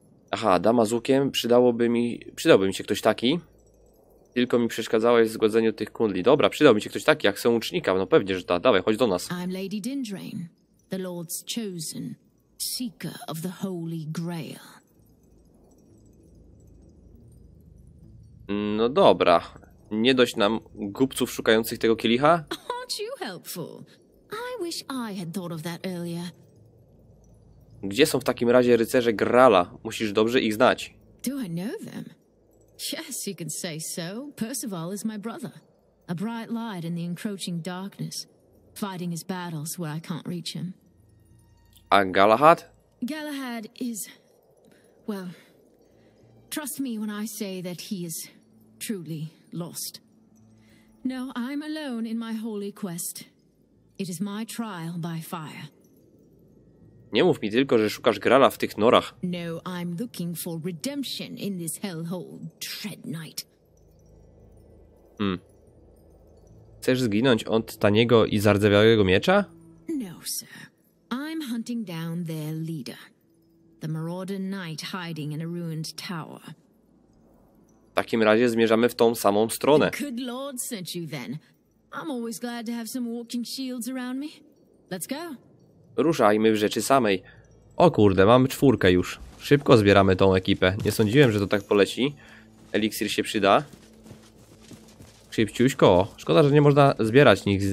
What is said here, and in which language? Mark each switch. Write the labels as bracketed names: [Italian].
[Polish] Aha, dama z łukiem, przydałby mi się ktoś taki. Tylko mi przeszkadzałeś w zgładzeniu tych kundli. Dobra, przydał mi się ktoś taki, jak chcę łucznika. No pewnie, że tak. Dawaj, chodź do nas. [English] I'm Lady Dindrain, the Lord's chosen, seeker of the Holy Grail. [Polish] No dobra. Nie dość nam głupców szukających tego kielicha? [English] Aren't you helpful? I wish I had thought of that earlier. [Polish] Gdzie są w takim razie rycerze Graala? Musisz dobrze ich znać. [English] Do I know them? Yes, you can say so. Percival is my brother. A bright light in the encroaching darkness, fighting his battles where I can't reach him. [Polish] A Galahad? [English] Galahad is... well... trust me when I say that he is truly lost. No, I'm alone in my holy quest. It is my trial by fire. [Polish] Nie mów mi tylko, że szukasz Graala w tych norach. [English] No, I'm looking for redemption in this hellhole, Dread Knight. [Polish] Chcesz zginąć od taniego i zardzewiałego miecza? [English] No, sir. I'm hunting down their leader. The Marauder Knight hiding in a ruined tower. [Polish] W takim razie zmierzamy w tą samą stronę. [English] The good Lord sent you then. I'm always glad to have some walking shields around me. Let's go. [Polish] Ruszajmy w rzeczy samej. O kurde, mam czwórkę już. Szybko zbieramy tą ekipę. Nie sądziłem, że to tak poleci. Eliksir się przyda. Szybciuśko. Szkoda, że nie można zbierać.